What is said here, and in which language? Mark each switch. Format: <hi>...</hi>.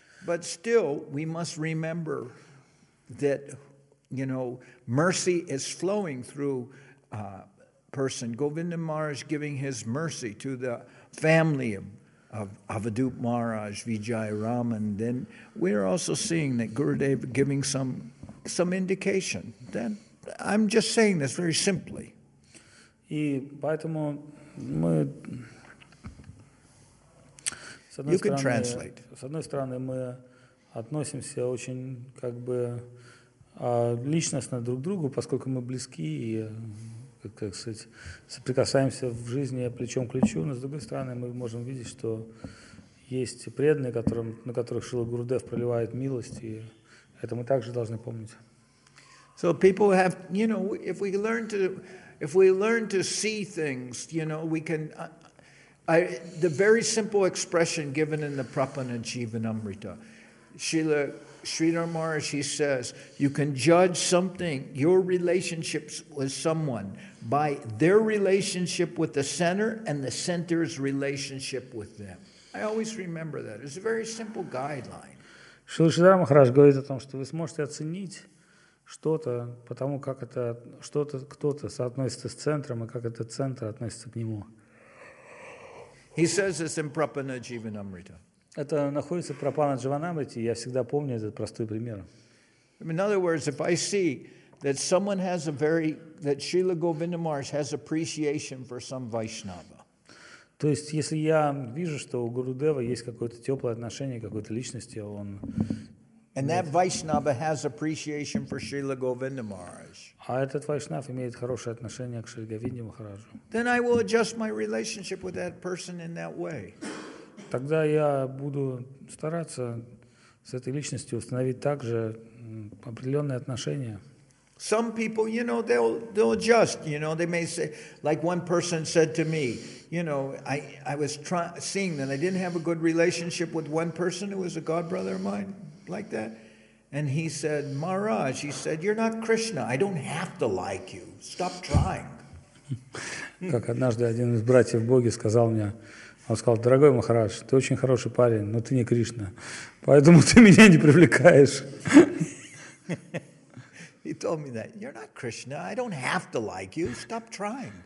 <en>But still, we must remember that, you know, mercy is flowing through person. Govinda Maharaj giving his mercy to the family of Avadhut Maharaj, Vijay Raman, then we're also seeing that Gurudev giving some indication. Then I'm just saying this very simply.</en> <ru>И поэтому мы, с одной стороны, мы относимся очень как бы личностно друг к другу, поскольку мы близки и, как сказать, соприкасаемся в жизни плечом к плечу, но с другой стороны, мы можем видеть, что есть преданные, которым, на которых Шрила Гурудев проливает милость, и это мы также должны помнить.</ru> <en>So people have, you know, if we learn to see things, you know, we can. The very simple expression given in the Prapana Jivanamrita, Sridhar Maharaj, he says, you can judge something, your relationships with someone, by their relationship with the center and the center's relationship with them. I always remember that. It's a very simple guideline.</en> <ru>Sridhar Maharaj говорит о том, что вы сможете оценить что-то, потому как это что-то, кто-то соотносится с центром, и как этот центр относится к нему.</ru> <en>He says this in Prapana Jivanamrita.</en> <ru>Это находится в Прапана Дживанамрите, я всегда помню этот простой пример.</ru> <en>In other words, if I see that someone has a very, that Srila Govinda Maharaj has appreciation for some Vaishnava.</en> <ru>То есть, если я вижу, что у Гурудева есть какое-то теплое отношение к какой-то личности, он...</ru> <en>And that Vaishnava has appreciation for Srila Govinda Maharaj.</en> <ru>А этот вайшнав имеет хорошее отношение к Шриле Говинде Махараджу.</ru> <en>Then I will adjust my relationship with that person in that way.</en> <ru>Тогда я буду стараться с этой личностью установить также определенные отношения.</ru> <en>Some people, you know, they'll adjust. You know, they may say, like one person said to me, you know, I was seeing that I didn't have a good relationship with one person who was a god brother of mine. Like that, and he said, Maharaj, he said, you're not Krishna. I don't have to like you. Stop trying.</en> <ru>Как однажды один из братьев Боги сказал мне, он сказал, дорогой Махарадж, ты очень хороший парень, но ты не Кришна, поэтому ты меня не привлекаешь.</ru> <en>He told me that you're not Krishna. I don't have to like you. Stop trying.</en>